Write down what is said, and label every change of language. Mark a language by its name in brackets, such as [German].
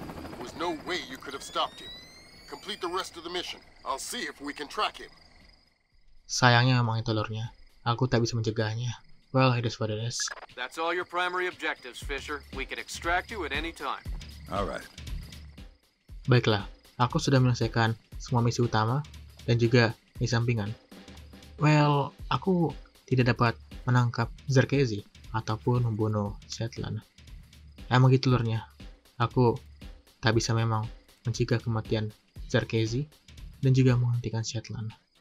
[English] There was no way you could have stopped him. Complete the rest of the mission. I'll see if we can track him. [Indonesian] Sayangnya memang itu lurnya. Aku tak bisa mencegahnya. [English] Well, it is what it is. That's all your primary objectives, Fisher. We can extract you at any time. Alright. [Indonesian] Baiklah, aku sudah menyelesaikan semua misi utama dan juga misi sampingan. [English] Well, [Indonesian] aku tidak dapat menangkap Zerkezi ataupun membunuh Shetland. Emang gitu lurnya. Aku tak bisa memang mencegah kematian Zerkezi dan juga menghentikan Shetland.